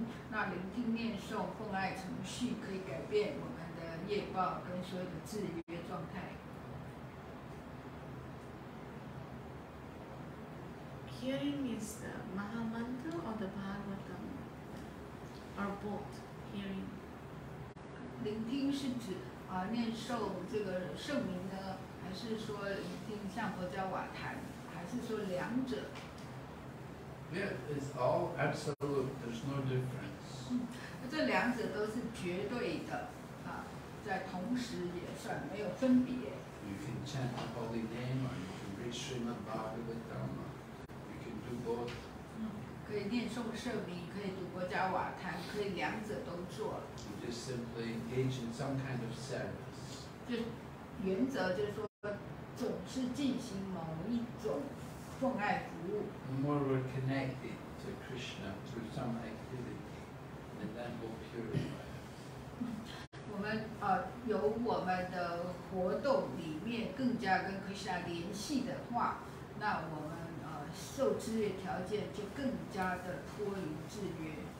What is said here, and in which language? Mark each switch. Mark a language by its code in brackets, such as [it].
[zh] 那聆听念诵奉爱程序可以改变我们的业报跟所有的制约状态。 [en] Hearing is the Mahamantra or the Bhagavatam or both hearing. [zh] 聆听是指念诵这个圣名呢，还是说聆听像佛教瓦坛，还是说两者 [en] ？Yeah, it's all absolute. There's no difference. [zh] 这两者都是绝对的啊，在同时也算没有分别。 [en] You can chant the holy name, or you can read Srimad Bhagavatam. You can do both. [zh] 可以念诵圣名，可以读佛教瓦坛，可以两者都做。 [en] Just simply engage in some kind of service. [zh] 就原则就是说，总是进行某一种奉爱服务。 [en] More we're connected to Krishna through some activity, and that will purify us. [zh] 我们由我们的活动里面更加跟 Krishna 联系的话，那我们受制约条件就更加的脱离制约。